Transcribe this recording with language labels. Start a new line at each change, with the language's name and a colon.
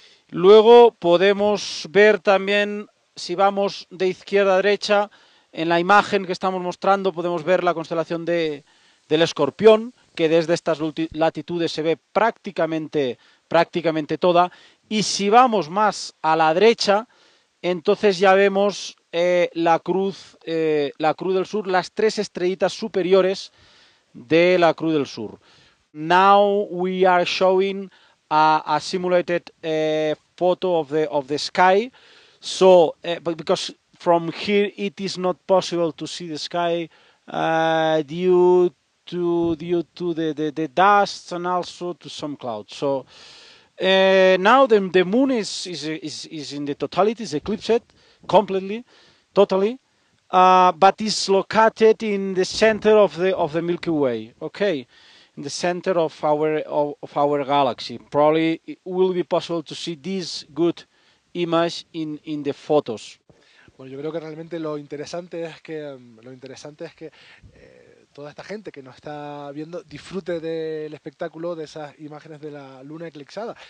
Spanish: Luego podemos ver también, si vamos de izquierda a derecha, en la imagen que estamos mostrando podemos ver la constelación del Escorpión, que desde estas latitudes se ve prácticamente toda. Y si vamos más a la derecha, entonces ya vemos la cruz del Sur, las tres estrellitas superiores de la Cruz del Sur.
English: Now we are showing a simulated photo of the sky. So because from here it is not possible to see the sky due to the dust and also to some clouds. So now the moon is in the totality, is eclipsed completely, totally, but is located in the center of the Milky Way. Okay. In the center of our galaxy. Probably it will be possible to see this good image in the photos.
Spanish: Bueno, yo creo que realmente lo interesante es que toda esta gente que nos está viendo disfrute del espectáculo de esas imágenes de la Luna eclipsada.